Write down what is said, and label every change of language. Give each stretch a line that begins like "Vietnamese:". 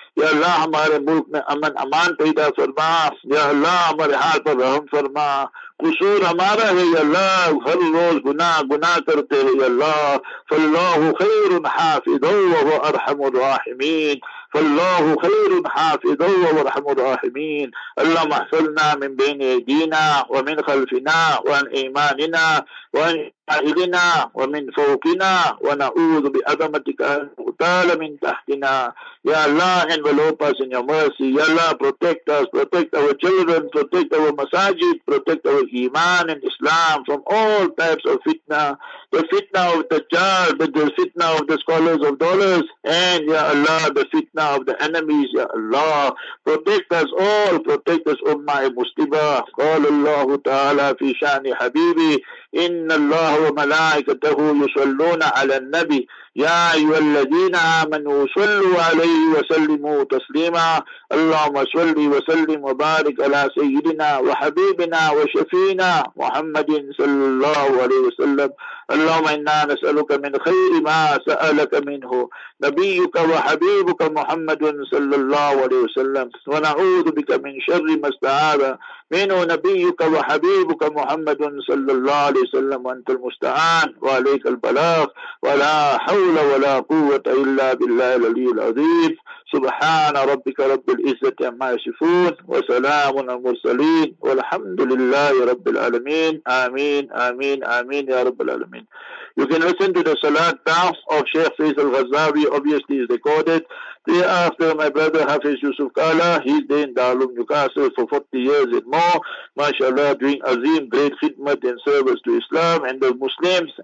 Urdu: يا الله ہمارے ملک میں امن امان پیدا فرما، يا الله ہمارے حال پر رحم فرما. قصور ہمارا ہے یا اللہ،
Arabic: ہر روز گناہ کرتے ہیں یا اللہ، فاللہ خیر حافظ وهو ارحم الراحمین، فاللہ خیر حافظ وهو ارحم الراحمین. اللهم احفظنا من بين ايدينا ومن خلفنا وعن ايماننا وعن أهلنا ومن فوقنا، ونعوذ بعظمتك أن تغتال من تحتنا.
English: يا الله envelop us in your mercy. يا الله protect us, protect our children, protect our masajid, protect our iman and Islam from all types of fitna. The fitna of the Dajjal, the fitna of the scholars of dollars, and ya Allah, the fitna of the enemies. Ya Allah, protect us all, protect us ummah muslima.
Arabic: قال الله تعالى في شأن حبيبي، إن الله وملائكته يصلون على النبي، يا أيها الذين آمنوا صلوا عليه وسلموا تسليما. اللهم صل وسلم وبارك على سيدنا وحبيبنا وشفينا محمد صلى الله عليه وسلم. اللهم إنا نسألك من خير ما سألك منه نبيك وحبيبك محمد صلى الله عليه وسلم، ونعوذ بك من شر ما استعاذ منه نبيك وحبيبك محمد صلى الله عليه وسلم، وأنت المستعان وعليك البلاغ، ولا حول ولا قوة إلا بالله العلي العظيم. سبحان ربك رب العزة عما يصفون، وسلام على المرسلين، والحمد لله رب العالمين. آمين آمين آمين يا رب العالمين.
English: You can listen to the Salat Da'af of Sheikh Faisal Ghazawi, obviously is recorded. Thereafter, my brother Hafiz Yusuf Kala, he's there in Darul Newcastle for 40 years and more, mashallah, doing azim, great khidmat and service to Islam and the Muslims.